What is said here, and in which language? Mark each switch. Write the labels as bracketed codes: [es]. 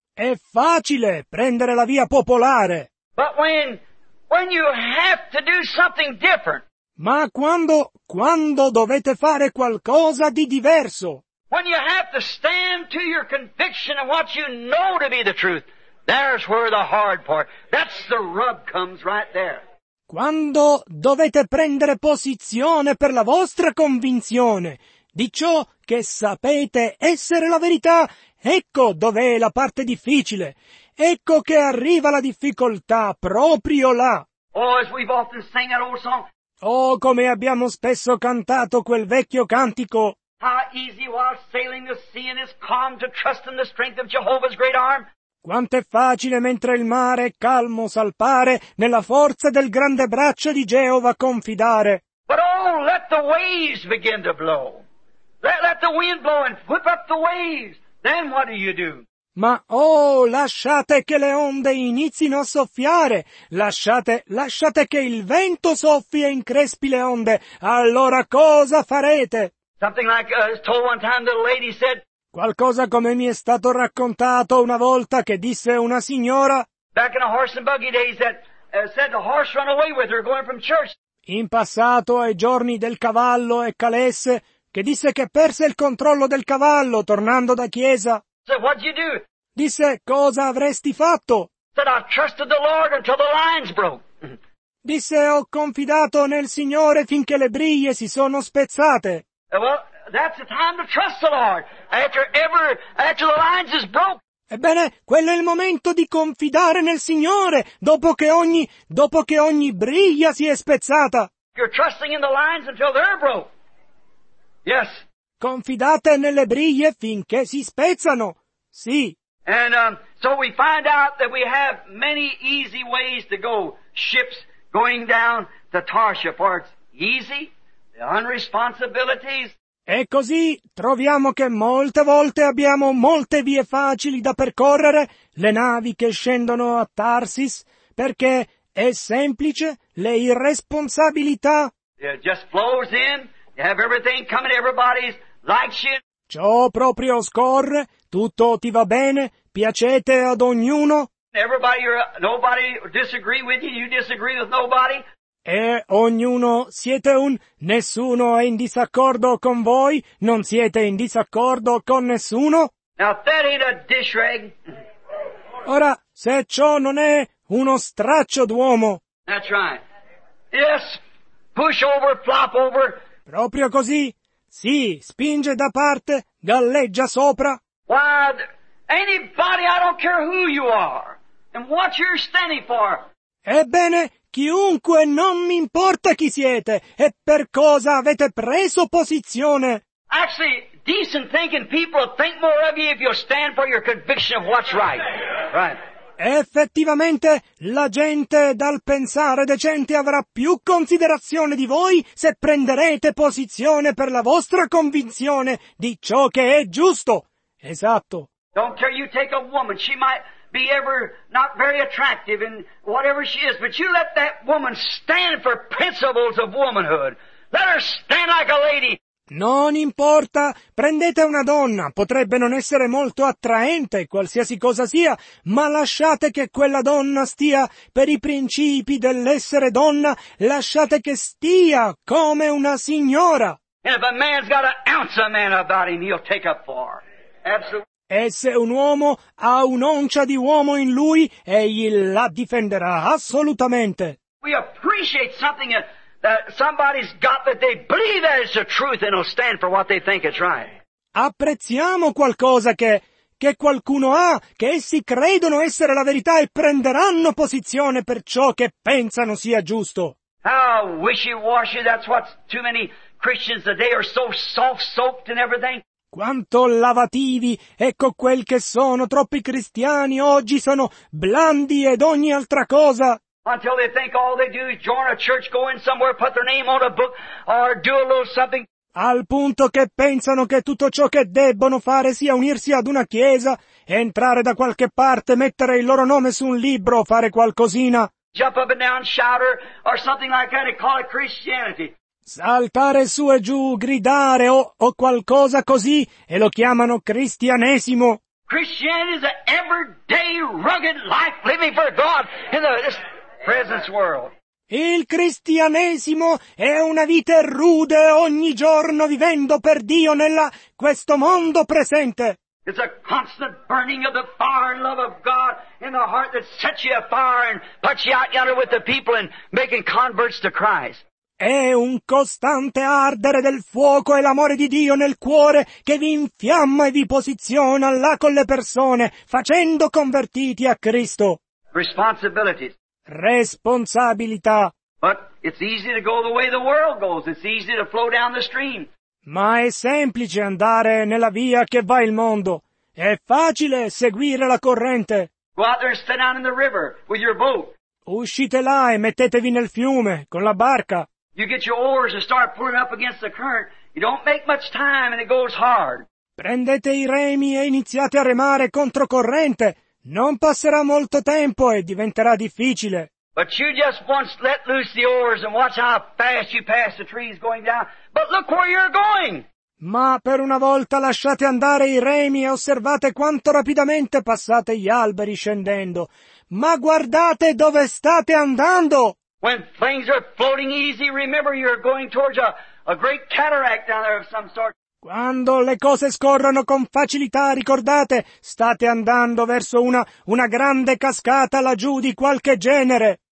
[it] È facile prendere la via popolare. [en] But when you have to do something different. [it] Ma quando dovete fare qualcosa di diverso. [en] When you have to stand to your conviction and what you know to be the truth, there's where the hard part, that's the rub comes right there. [it] Quando dovete prendere posizione per la vostra convinzione di ciò che sapete essere la verità, ecco dov'è la parte difficile. Ecco che arriva la difficoltà proprio là. [en] Oh, as we've often sang that old song. [it] Oh, come abbiamo spesso cantato quel vecchio cantico. [en] How easy while sailing the sea in his calm to trust in the strength of Jehovah's great arm. [it] Quanto è facile mentre il mare è calmo salpare nella forza del grande braccio di Geova confidare. [en] But oh, let the waves begin to blow. Let the wind blow and whip up the waves. Then what do you do? [it] Ma oh, lasciate che le onde inizino a soffiare. Lasciate che il vento soffi e increspi le onde. Allora cosa farete? [en] Something like told one time that a lady said. [it] Qualcosa come mi è stato raccontato una volta che disse una signora. [en] Back in the horse and buggy days that said the horse ran away with her going from church. [it] In passato ai giorni del cavallo e calesse, che disse che perse il controllo del cavallo tornando da chiesa. [en] So what'd you do? [it] Disse, cosa avresti fatto? [en] Said I trusted the Lord until the lines broke. [it] Disse, ho confidato nel Signore finché le briglie si sono spezzate. [en] Well, that's the time to trust the Lord. After the lines is broke. [it] Ebbene, quello è il momento di confidare nel Signore, dopo che ogni briglia si è spezzata. [en] You're trusting in the lines until they're broke. Yes. [it] Confidate nelle briglie finché si spezzano. Sì. [en] And so we find out that we have many easy ways to go. Ships going down to Tarsha parts easy. The unresponsibilities. [it] E così troviamo che molte volte abbiamo molte vie facili da percorrere, le navi che scendono a Tarsis, perché è semplice, le irresponsabilità. [en] It just flows in, you have everything coming, everybody's likes you. [it] Ciò proprio scorre, tutto ti va bene, piacete ad ognuno. [en] Everybody, nobody disagree with you, you disagree with nobody. [it] E ognuno siete un, nessuno è in disaccordo con voi, non siete in disaccordo con nessuno. [en] Now, that ain't a dish rag. [it] Ora, se ciò non è uno straccio d'uomo. [en] That's right. Yes, push over, flop over. [it] Proprio così. Sì, spinge da parte, galleggia sopra. [en] Why, anybody, I don't care who you are and what you're standing for. [it] Ebbene, chiunque, non mi importa chi siete e per cosa avete preso posizione. [en] Actually, decent thinking people think more of you if you stand for your conviction of what's right. Right. [it] Effettivamente, la gente dal pensare decente avrà più considerazione di voi se prenderete posizione per la vostra convinzione di ciò che è giusto. Esatto. [en] Don't care you take a woman, she might be ever not very attractive in whatever she is, but you let that woman stand for principles of womanhood. Let her stand like a lady. [it] Non importa, prendete una donna, potrebbe non essere molto attraente, qualsiasi cosa sia, ma lasciate che quella donna stia per i principi dell'essere donna, lasciate che stia come una signora. [en] And if a man's got an ounce of man about him, he'll take up for. Absolutely. [it] E se un uomo ha un'oncia di uomo in lui, egli la difenderà assolutamente. [en] We appreciate something that somebody's got that they believe that it's the truth and will stand for what they think is right. [it] Apprezziamo qualcosa che qualcuno ha, che essi credono essere la verità e prenderanno posizione per ciò che pensano sia giusto. [en] How wishy-washy, that's what too many Christians today are, so soft-soaked and everything. [it] Quanto lavativi, ecco quel che sono, troppi cristiani oggi sono blandi ed ogni altra cosa. [en] Until they think all they do is join a church, go in somewhere, put their name on a book, or do a little something. [it] Al punto che pensano che tutto ciò che debbono fare sia unirsi ad una chiesa, entrare da qualche parte, mettere il loro nome su un libro, fare qualcosina. [en] Jump up and down, shout or something like that, and call it Christianity. [it] Saltare su e giù, gridare o qualcosa così, e lo chiamano cristianesimo. [en] Christianity is an everyday rugged life living for God in the presence world. [it] Il cristianesimo è una vita rude ogni giorno vivendo per Dio nella questo mondo presente. [en] It's a constant burning of the fire and love of God in the heart that sets you afire and puts you out yonder with the people and making converts to Christ. [it] È un costante ardere del fuoco e l'amore di Dio nel cuore che vi infiamma e vi posiziona là con le persone, facendo convertiti a Cristo. [en] Responsibilities. [it] Responsabilità. [en] But it's easy to go the way the world goes. It's easy to flow down the stream. [it] Ma è semplice andare nella via che va il mondo. È facile seguire la corrente. [en] Go out there and stand down in the river with your boat. [it] Uscite là e mettetevi nel fiume con la barca. [en] You get your oars and start pulling up against the current. You don't make much time and it goes hard. [it] Prendete i remi e iniziate a remare controcorrente. Non passerà molto tempo e diventerà difficile. [en] But you just once let loose the oars and watch how fast you pass the trees going down. But look where you're going! [it] Ma per una volta lasciate andare i remi e osservate quanto rapidamente passate gli alberi scendendo. Ma guardate dove state andando! [en] When things are floating easy, remember you're going towards a great cataract down there of some sort. [it] Quando le cose scorrono con facilità, ricordate, state andando verso una grande cascata laggiù di qualche genere.